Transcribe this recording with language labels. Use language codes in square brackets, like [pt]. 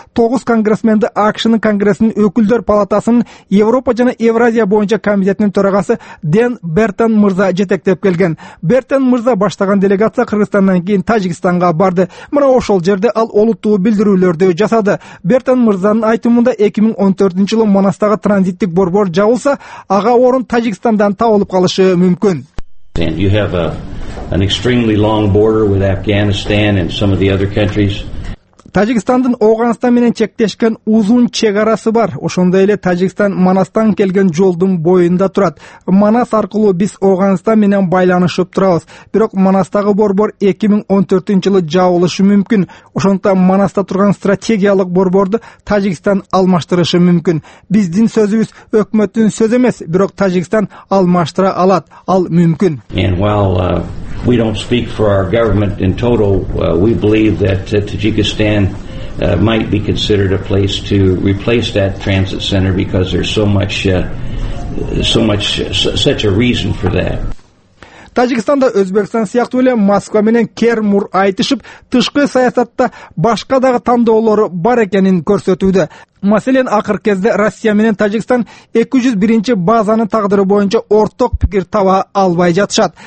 [ky] 9 конгрессменди АКШнын конгрессинин өкүлдөр палатасынын Европа жана Евразия боюнча комитетинин төрагасы Ден Бертен мырза жетектеп келген. Бертен мырза баштаган делегация Кыргызстандан кийин Тажикстанга барды. Мына ошол жерде ал олуттуу билдирүүлөрдү жасады. Бертен мырзанын айтымында 2014 жылы Манастагы транзиттик борбор жабылса, ага орун Тажикстандан табылып калышы мүмкүн. [en] You have an extremely long border with Afghanistan and some of the other countries. [ky] Тажикстандын Ооганстан менен чектешкен узун чек арасы бар. Ошондой эле Тажикстан Манастан келген жолдун боюнда турат. Манас аркылуу биз Ооганстан менен байланышып турабыз. Бирок Манастагы борбор 2014 жылы жабылышы мүмкүн. Ошондуктан Манаста турган стратегиялык борборду Тажикстан алмаштырышы мүмкүн. Биздин сөзүбүз өкмөттүн сөзү эмес, бирок Тажикстан алмаштыра алат. Ал мүмкүн. [en] We don't speak for our government in total. We believe that Tajikistan might be considered a place to replace that transit center because there's such a reason for that. [ky] Тажикстан да Өзбекстан сыяктуу эле Москва менен Кермур айтышып, тышкы саясатта башка дагы тандоолору бар экенин көрсөтүүдө. Маселен, акыр кезде Россия менен Тажикстан 201 базанын тагдыры боюнча орток пикир таба албай жатышат.